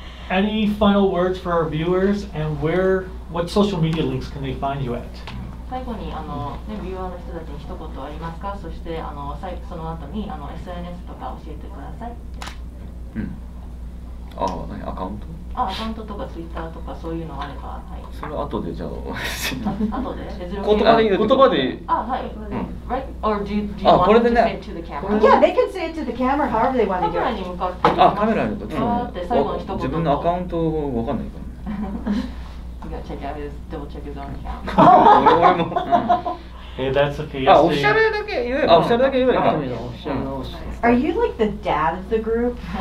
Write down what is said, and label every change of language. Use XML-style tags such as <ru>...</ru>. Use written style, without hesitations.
<en>Any final words for our viewers, and what social media links can they find you at?</en> <ja>最後にあの、ね、ビューアーの人たちに一言ありますか。そしてあのその後にあの SNS とか教えてくださいって。うん。あ、何アカウント？あ、アカウントとかツイッターとかそういうのあれば、はい。それは後でじゃあ。後で。言葉で。</ja> <en>あ、はい。Right or do you want to say it to the camera? Yeah, they can say it to the camera however they want to do.</en> <ja>カメラに向かって。 あ、カメラに向かって。って最後の一言。自分のアカウントわかんないから。</ja> <en>Are you like the dad of the group?</en>